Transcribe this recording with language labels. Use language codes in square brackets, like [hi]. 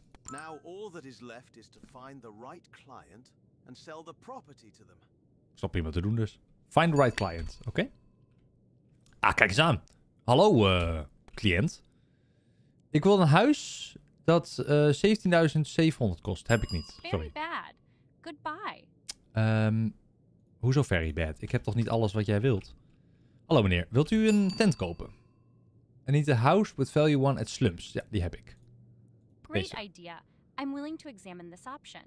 [en] Now all that is left is to find the right client and sell the property to them. [nl] Ik snap prima te doen dus. [en] Find the right client, oké? Okay? [nl] Ah, kijk eens aan. Hallo, cliënt. Ik wil een huis dat 17.700 kost. Heb ik niet. Sorry. [en] Very bad. Goodbye. [nl] Hoezo [en] very bad? [nl] Ik heb toch niet alles wat jij wilt? Hallo meneer, wilt u een tent kopen? [en] I need a house with value 1 at slums. [nl] Ja, die heb ik. [en] Great idea. I'm willing to examine this option.